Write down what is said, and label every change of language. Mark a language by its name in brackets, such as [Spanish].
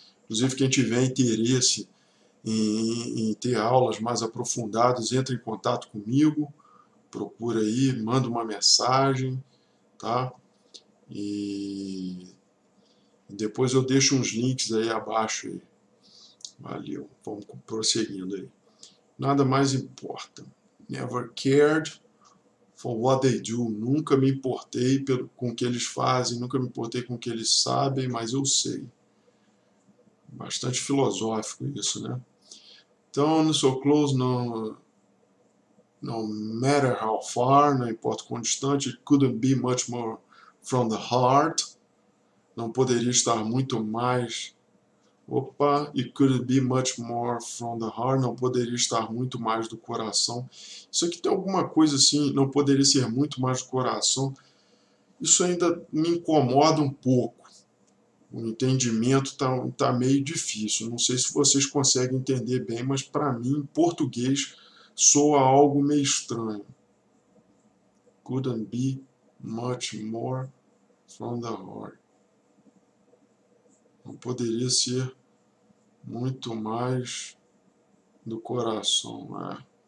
[Portuguese] Inclusive, quem tiver interesse em ter aulas mais aprofundadas, entre em contato comigo. Procura aí, manda uma mensagem, tá? E depois eu deixo uns links aí abaixo aí. Valeu. Vamos prosseguindo aí. Nada mais importa. [English] Never cared for what they do. [Portuguese] Nunca me importei com o que eles fazem, nunca me importei com o que eles sabem, mas eu sei. Bastante filosófico isso, né? Então, no so close, no. [English] No matter how far, [Portuguese] não importa quão distante, [English] it couldn't be much more from the heart. [Portuguese] Não poderia estar muito mais. [English] Opa, it couldn't be much more from the heart. [Portuguese] Não poderia estar muito mais do coração. Isso aqui tem alguma coisa assim, não poderia ser muito mais do coração. Isso ainda me incomoda um pouco. O entendimento tá meio difícil. Não sei se vocês conseguem entender bem, mas para mim, em português, soa algo meio estranho. [English] Couldn't be much more from the heart. [Portuguese] Não poderia ser muito mais do coração. Né?